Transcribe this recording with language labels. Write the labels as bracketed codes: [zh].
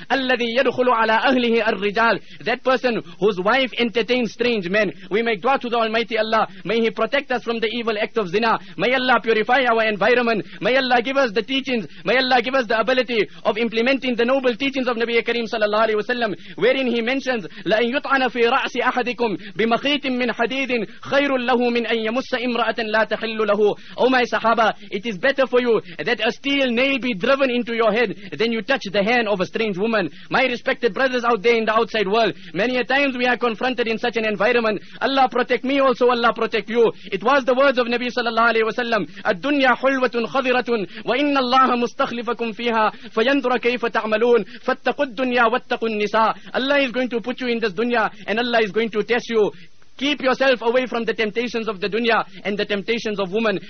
[ar] Alladhi yadkhulu ala ahlihi ar-rijal. [en] That person whose wife entertains strange men. We make dua to the Almighty Allah. May He protect us from the evil act of zina. May Allah purify our environment. May Allah give us the teachings. May Allah give us the ability of implementing the noble teachings of Nabi [ar] الكريم صلى الله عليه وسلم [en] wherein he mentions [ar] لأن يطعن في رأس أحدكم بمخيط من حديد خير له من أن يمس امرأة لا تحل له. [en] Oh my sahaba, it is better for you that a steel nail be driven into your head than you touch the hand of a strange woman. My respected brothers out there in the outside world, many a times we are confronted in such an environment. Allah protect me also, Allah protect you. It was the words of Nabi [ar] صلى الله عليه وسلم الدنيا حلوة خضرة وإن الله مستخلفكم فيها فينظر كيف تعملون فاتقوا الدنيا واتقوا النساء. [en] Allah is going to put you in this dunya and Allah is going to test you. Keep yourself away from the temptations of the dunya and the temptations of women.